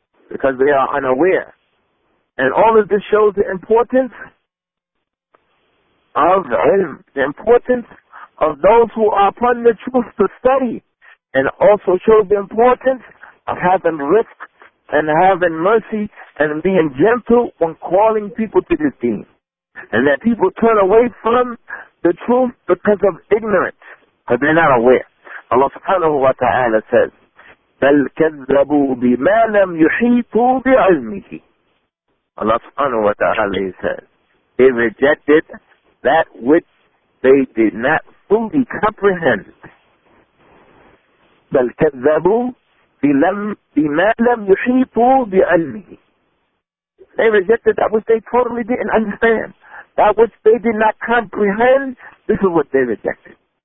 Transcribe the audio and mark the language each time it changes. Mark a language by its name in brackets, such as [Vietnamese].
[English] Because they are unaware. And all of this shows the importance of ilm, the importance of those who are upon the truth to study, and also shows the importance of having risk and having mercy and being gentle when calling people to this deen. And that people turn away from the truth because of ignorance, because they're not aware. Allah subhanahu wa ta'ala says, [Arabic] بَلْ كَذَّبُوا بِمَا لَمْ يُحِيطُوا بِعِلْمِهِ. [English] Allah subhanahu wa ta'ala says, they rejected that which they did not fully comprehend. [Arabic] بَلْ كَذَّبُوا بِمَا لَمْ يُحِيطُوا بِعِلْمِهِ. [English] They rejected that which they totally didn't understand. That which they did not comprehend, this is what they rejected.